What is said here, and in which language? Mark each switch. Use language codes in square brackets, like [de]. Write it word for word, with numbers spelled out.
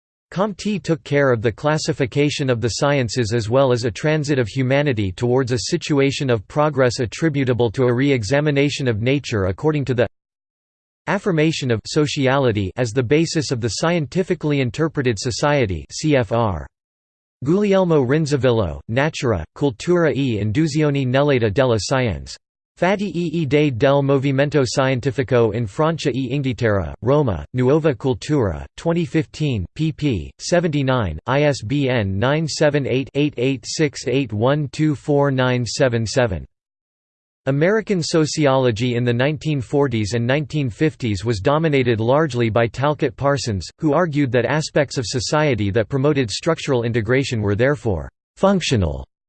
[en] Comte took care of the classification of the sciences as well as a transit of humanity towards a situation of progress attributable to a re-examination of nature according to the affirmation of «sociality» as the basis of the scientifically interpreted society C F R. [it] Guglielmo Rinzavillo, Natura, Cultura e Induzioni nell'età della scienza. Fatti e idee del movimento scientifico in Francia e Inghilterra, Roma, Nuova Cultura, [en] twenty fifteen, [it] pp. [en] seventy-nine, I S B N nine seven eight, eight eight six eight one two four nine seven seven. American sociology in the nineteen forties and nineteen fifties was dominated largely by Talcott Parsons, who argued that aspects of society that promoted structural integration were therefore «functional».